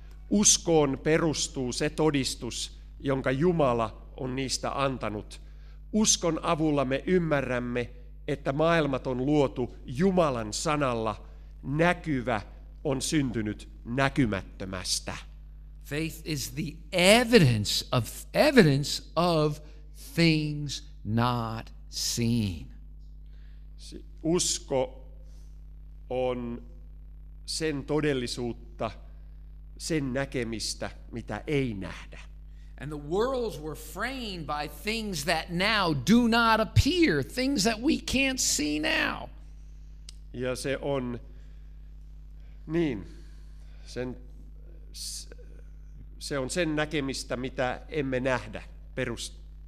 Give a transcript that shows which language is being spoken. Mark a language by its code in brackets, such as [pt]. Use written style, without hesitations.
[fi] Uskoon perustuu se todistus, jonka Jumala on niistä antanut. Uskon avulla me ymmärrämme, että maailmat on luotu Jumalan sanalla. Näkyvä on syntynyt näkymättömästä. [en] Faith is the evidence of things not seen. [fi] Usko on sen todellisuutta, sen näkemistä, mitä ei nähdä. [en] And the worlds were framed by things that now do not appear, things that we can't see now. [fi] Ja se on niin, se on sen näkemistä, mitä emme nähdä, perustuu.